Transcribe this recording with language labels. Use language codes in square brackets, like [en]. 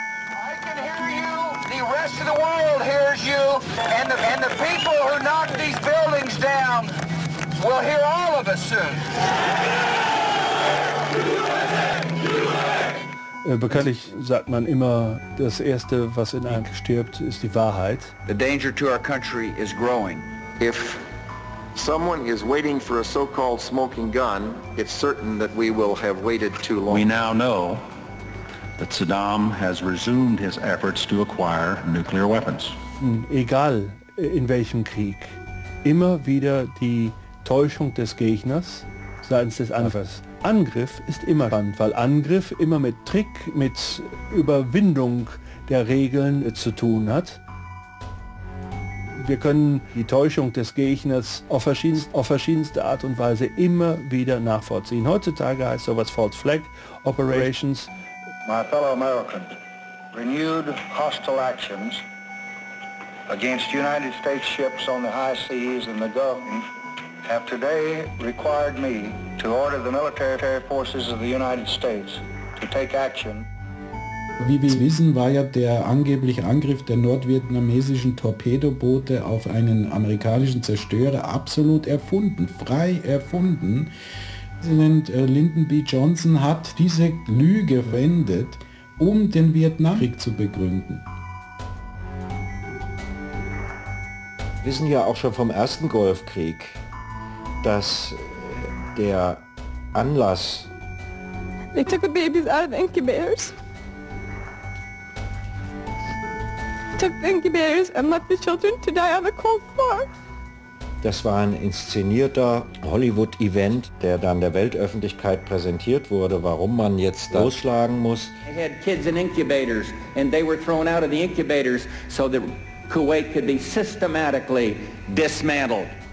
[en] I can hear you, the rest of the world hears you, and the people who knocked these buildings down will hear all of us soon. [de] Bekanntlich sagt man immer, das Erste, was in einem stirbt, ist die Wahrheit. [en] The danger to our country is growing. If someone is waiting for a so-called smoking gun, it's certain that we will have waited too long. We now know that Saddam has resumed his efforts to acquire nuclear weapons. [de] Egal in welchem Krieg, immer wieder die Täuschung des Gegners seitens des Angriffs. Angriff ist immer dran, weil Angriff immer mit Trick, mit Überwindung der Regeln zu tun hat. Wir können die Täuschung des Gegners auf verschiedenste Art und Weise immer wieder nachvollziehen. Heutzutage heißt sowas False Flag Operations. [en] My fellow Americans, renewed hostile actions against United States ships on the high seas and the Gulf have today required me to order the military forces of the United States to take action. [de] Wie wir wissen, war ja der angebliche Angriff der nordvietnamesischen Torpedoboote auf einen amerikanischen Zerstörer absolut erfunden, frei erfunden. Präsident Lyndon B. Johnson hat diese Lüge verwendet, um den Vietnamkrieg zu begründen. Wir wissen ja auch schon vom ersten Golfkrieg, dass der Anlass. [en] They took the babies out of incubators. Took the incubators and left the children to die on the cold floor. [de] Das war ein inszenierter Hollywood-Event, der dann der Weltöffentlichkeit präsentiert wurde, warum man jetzt losschlagen muss. [en] They had kids in incubators and they were thrown out of the incubators so that Kuwait could be systematically dismantled.